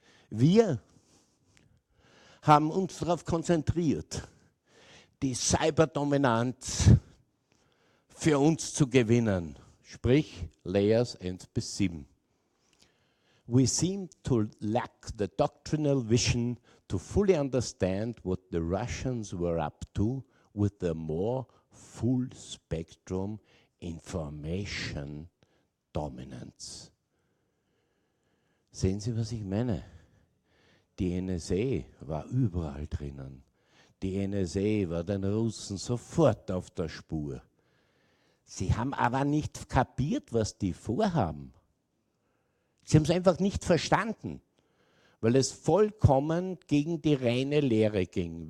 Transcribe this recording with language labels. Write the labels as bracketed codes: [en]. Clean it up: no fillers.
[de] Wir haben uns darauf konzentriert, die Cyberdominanz für uns zu gewinnen, sprich Layers 1 bis 7. [en] We seem to lack the doctrinal vision to fully understand what the Russians were up to with the more full spectrum information dominance. [de] Sehen Sie, was ich meine? Die NSA war überall drinnen. Die NSA war den Russen sofort auf der Spur. Sie haben aber nicht kapiert, was die vorhaben. Sie haben es einfach nicht verstanden, weil es vollkommen gegen die reine Lehre ging.